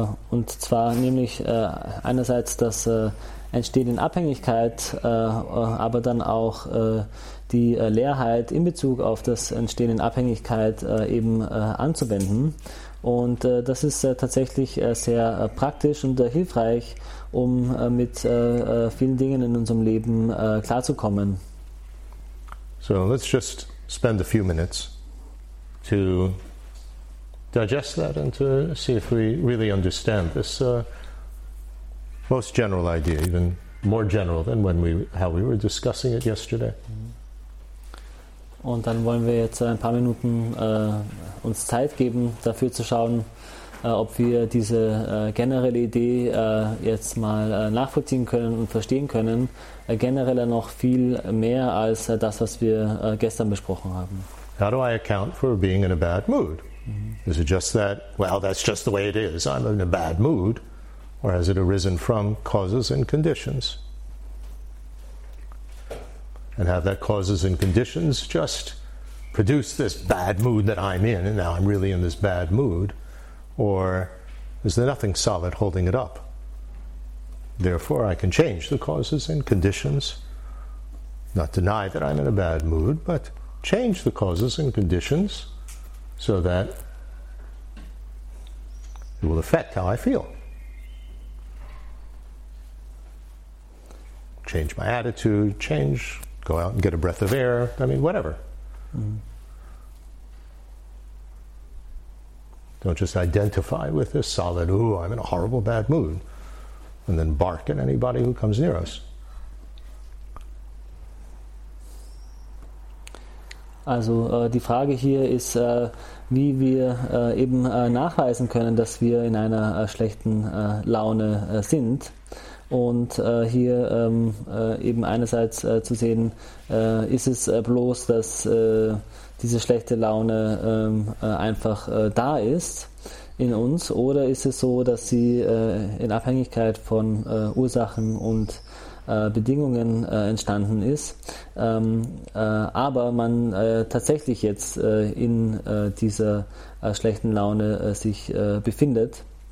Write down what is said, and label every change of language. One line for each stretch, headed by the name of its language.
German: Und zwar nämlich einerseits, dass entsteht in Abhängigkeit, aber dann auch die Leerheit in Bezug auf das Entstehen in Abhängigkeit eben anzuwenden. Und das ist tatsächlich sehr praktisch und hilfreich, um mit vielen Dingen in unserem Leben klarzukommen.
English: So let's just spend a few minutes to digest that and to see if we really understand this most general idea, even more general than how we were discussing it yesterday.
German: Und dann wollen wir jetzt ein paar Minuten uns Zeit geben, dafür zu schauen, ob wir diese generelle Idee jetzt mal nachvollziehen können und verstehen können, genereller noch viel mehr als das, was wir gestern besprochen haben.
English: How do I account for being in a bad mood? Is it just that, well, that's just the way it is, I'm in a bad mood? Or has it arisen from causes and conditions? And have that causes and conditions just produce this bad mood that I'm in, and now I'm really in this bad mood? Or is there nothing solid holding it up? Therefore, I can change the causes and conditions, not deny that I'm in a bad mood, but change the causes and conditions so that it will affect how I feel. Change my attitude, change, go out and get a breath of air, I mean, whatever. Don't just identify with this solid, ooh, I'm in a horrible bad mood, and then bark at anybody who comes near us.
German: Also die Frage hier ist, wie wir eben nachweisen können, dass wir in einer schlechten Laune sind. Und hier eben einerseits zu sehen, ist es bloß, dass diese schlechte Laune einfach da ist in uns, oder ist es so, dass sie in Abhängigkeit von Ursachen und Bedingungen entstanden ist, aber man tatsächlich jetzt in dieser schlechten Laune sich befindet.